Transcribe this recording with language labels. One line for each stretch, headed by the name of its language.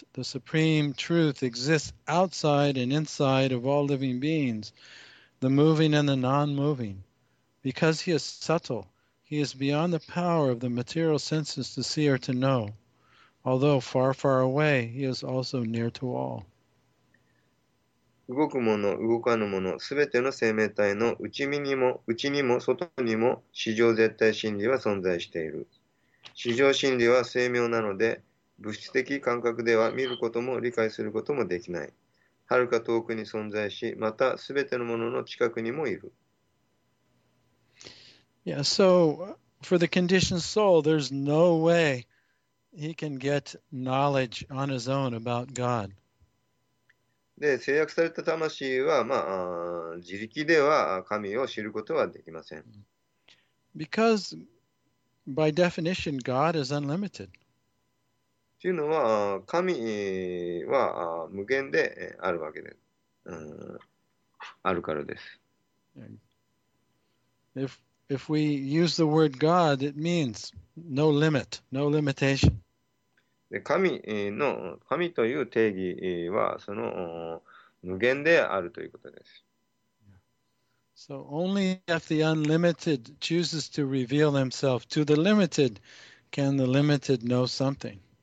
English: The supreme truth exists outside and inside of all living beings, the moving and the non-moving. Because he is subtle, He is beyond the power of the material senses to see or to know. Although far, far away, he is also near to all.
Japanese: 動くもの、動かぬもの、すべての生命体の内にも外にも、至上絶対真理は存在している。至上真理は精妙なので、物質的感覚では見ることも理解することもできない。遥か遠くに存在し、またすべてのものの近くにもいる。
English: Yeah, so for the conditioned soul, there's no way he can get knowledge on his own about God.
Japanese: で、制約された魂は、まあ、自力では神を知ることはできません。
English: Because by definition, God is unlimited.
Japanese: というのは、神は無限であるわけです。あるからです。
English: If we use the word God, it means no limit, no limitation.
Japanese: 神という定義はその無限であるということです。
English: So only if the unlimited chooses to reveal himself to the limited can the limited know something.